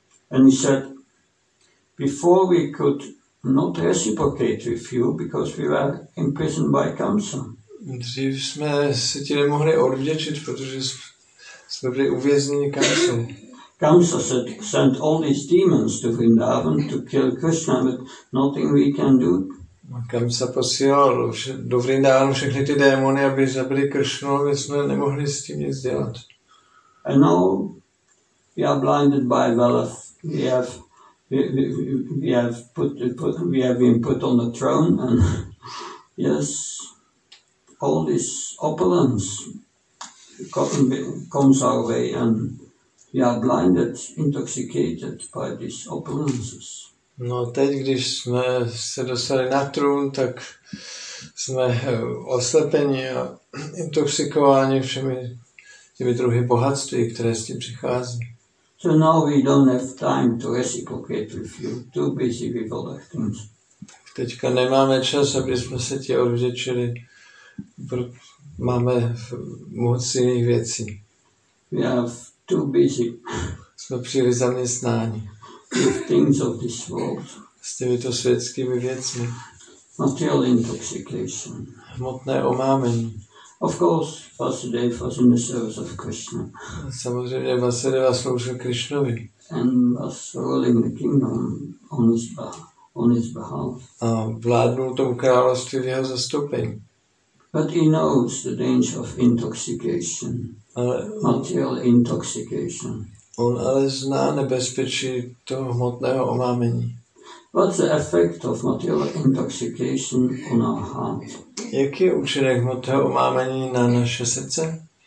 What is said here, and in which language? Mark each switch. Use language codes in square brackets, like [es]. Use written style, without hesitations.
[en] And he said, before we could not reciprocate with you because we were imprisoned by Kamsa. [cs] Dřív jsme se ti nemohli odvděčit, protože jsme byli uvězněni Kamsou. [en] Kamsa said, sent all these demons to Vrindavan to kill Krishna, but nothing we can do. [cs] Kamsa posílal do Vrindavanu všechny ty démony, aby zabili Krishnu, my jsme nemohli s tím nic dělat. [en] And now we are blinded by wealth. We have been put on the throne, and yes, all this opulence comes our way, and we are blinded, intoxicated by these opulences. [cs] No, teď, když jsme se dostali na trůn, tak jsme oslepeni a intoxikováni všemi těmi druhy bohatství, které s tím přichází. [en] So now we don't have time to reciprocate with you. Too busy with other things. [cs] Teďka nemáme čas, aby jsme se ti odvděčili. Máme moc jiných věcí. [en] We are too busy. [cs] Jsme příliš zaměstnáni. [en] With things of this world. [cs] S těmito světskými věcmi. [en] Material intoxication. [cs] Hmotné omámení. [en] Of course, Vasudeva was in the service of Krishna. [cs] Samozřejmě Vasudeva sloužil Krishnovi. [en] And was ruling the kingdom on his behalf. [cs] A vládnul tomu království v jeho zastoupení. [en] But he knows the danger of intoxication, material intoxication. [cs] On ale zná nebezpečí toho hmotného omámení. [en] What's the effect of material intoxication on our heart? [cs] Jaký je účinek hmotného omámení na naše srdce?